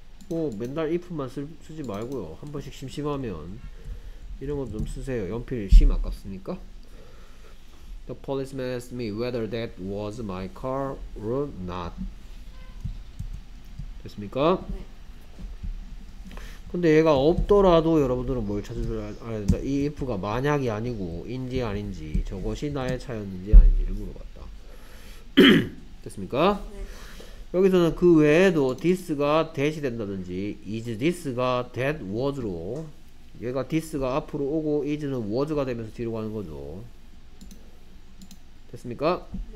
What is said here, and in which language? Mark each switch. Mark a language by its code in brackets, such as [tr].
[ko] 오, 맨날 if만 쓰지 말고요. 한 번씩 심심하면 이런 것도 좀 쓰세요. 연필이 심 아깝습니까? [en] The policeman asked me whether that was my car or not. [ko] 됐습니까? 근데 얘가 없더라도 여러분들은 뭘 찾으셔야 된다? 이 if가 만약이 아니고 인지 아닌지, 저것이 나의 차였는지 아닌지를 물어봤다. 됐습니까? 여기서는 그 외에도 this가 that이 된다든지, is this가 that was로, 얘가 this가 앞으로 오고 is는 was가 되면서 뒤로 가는 거죠. 됐습니까?